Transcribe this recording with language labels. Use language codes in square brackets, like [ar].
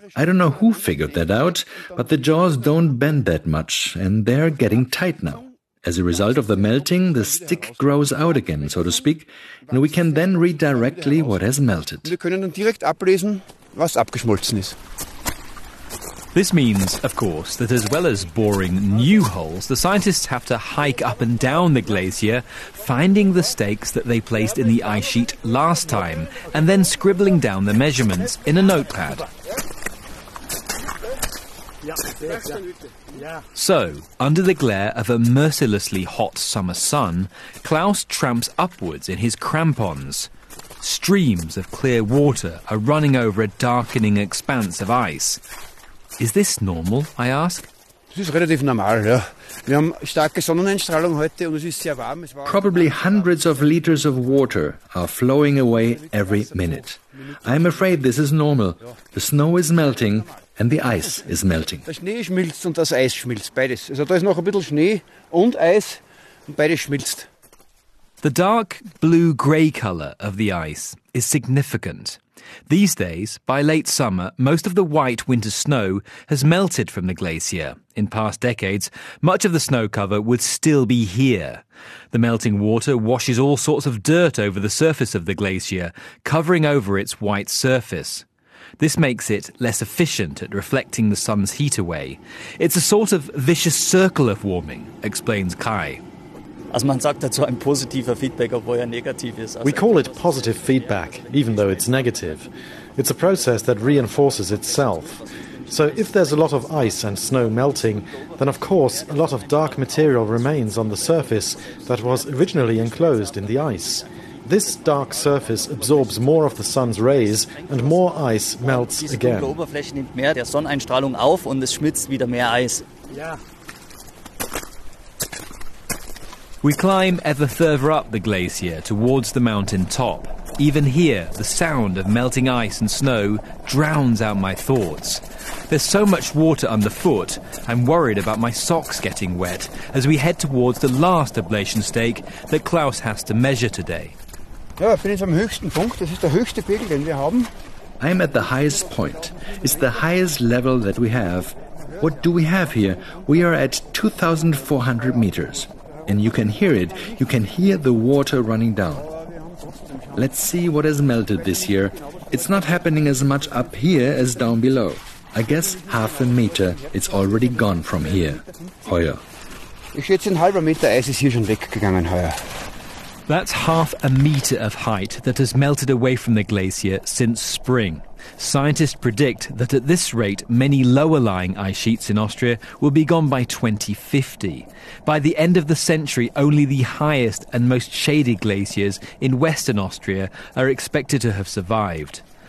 [en] I don't know who figured that out, but the jaws don't bend that much, and they're getting tight now. As a result of the melting, the stick grows out again, so to speak, and we can then read directly what has melted. [de] Wir können dann direkt ablesen, was abgeschmolzen ist. [en] This means, of course, that as well as boring new holes, the scientists have to hike up and down the glacier, finding the stakes that they placed in the ice sheet last time, and then scribbling down the measurements in a notepad. So, under the glare of a mercilessly hot summer sun, Klaus tramps upwards in his crampons. Streams of clear water are running over a darkening expanse of ice. Is this normal, I ask? [de] Es ist relativ normal, ja. Wir haben starke Sonneneinstrahlung heute und es ist sehr warm. [en] Probably hundreds of liters of water are flowing away every minute. I'm afraid this is normal. The snow is melting and the ice is melting. [de] Der Schnee schmilzt und das Eis schmilzt, beides. Also da ist noch ein bisschen Schnee und Eis und beides schmilzt. [en] The dark blue-grey color of the ice is significant. These days, by late summer, most of the white winter snow has melted from the glacier. In past decades, much of the snow cover would still be here. The melting water washes all sorts of dirt over the surface of the glacier, covering over its white surface. This makes it less efficient at reflecting the sun's heat away. It's a sort of vicious circle of warming, explains Kai. We call it positive feedback, even though it's negative. It's a process that reinforces itself. So if there's a lot of ice and snow melting, then of course a lot of dark material remains on the surface that was originally enclosed in the ice. This dark surface absorbs more of the sun's rays and more ice melts again. [de] Die Oberfläche nimmt mehr der Sonneneinstrahlung auf und es schmilzt wieder mehr Eis. [en] We climb ever further up the glacier towards the mountain top. Even here, the sound of melting ice and snow drowns out my thoughts. There's so much water underfoot, I'm worried about my socks getting wet as we head towards the last ablation stake that Klaus has to measure today. [de] Ja, ich bin jetzt am höchsten Punkt. Das ist der höchste Pegel, den wir haben. [en] I'm at the highest point. It's the highest level that we have. What do we have here? We are at 2,400 meters. And you can hear it. You can hear the water running down. Let's see what has melted this year. It's not happening as much up here as down below. I guess half a meter. It's already gone from here. Heuer. [de] Ich schätze, ein halber Meter Eis ist hier schon weggegangen heuer. [en] That's half a meter of height that has melted away from the glacier since spring. Scientists predict that at this rate, many lower-lying ice sheets in Austria will be gone by 2050. By the end of the century, only the highest and most shady glaciers in western Austria are expected to have survived.